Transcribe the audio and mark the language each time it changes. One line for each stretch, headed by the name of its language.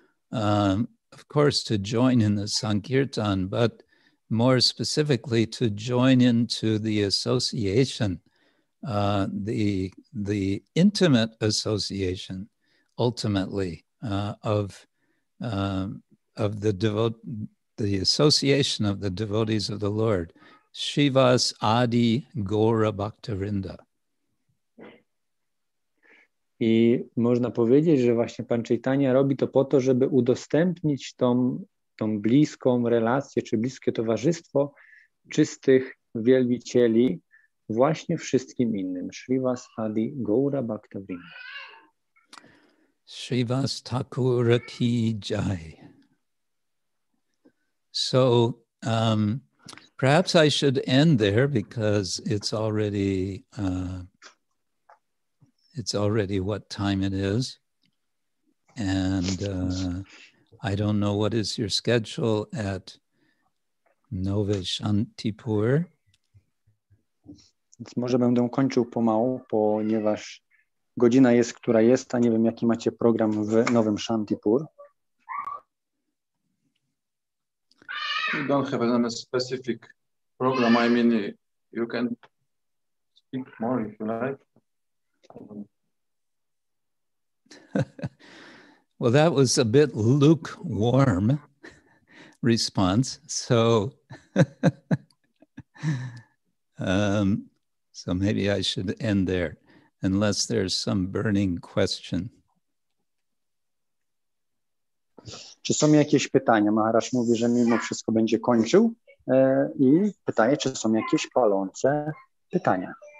English: of course, to join in the Sankirtan, but more specifically to join into the association, the intimate association, ultimately, of the the association of the devotees of the Lord, Shivas Adi Gora Bhaktarinda.
Polish: I można powiedzieć, że właśnie Pan Chaitanya robi to po to, żeby udostępnić tą bliską relację, czy bliskie towarzystwo czystych wielbicieli właśnie wszystkim innym.
English: Shrivas Adi Gaura Bhaktavrinda. Shrivas Thakur Ki Jai. So, perhaps I should end there because it's already... It's already what time it is, and I don't know what is your schedule at Nowy Shantipur.
Polish: Więc może będę kończył pomału, ponieważ godzina jest, która jest, a nie wiem, jaki macie program w Nowym Shantipur.
English: You don't have a specific program. I mean, you can speak more if you like. Well, that was a bit lukewarm response, so so maybe I should end there, unless there's some burning question.
Polish: Czy są jakieś pytania? Maharaj mówi, że mimo wszystko będzie kończył i pytanie, czy są jakieś palące pytania?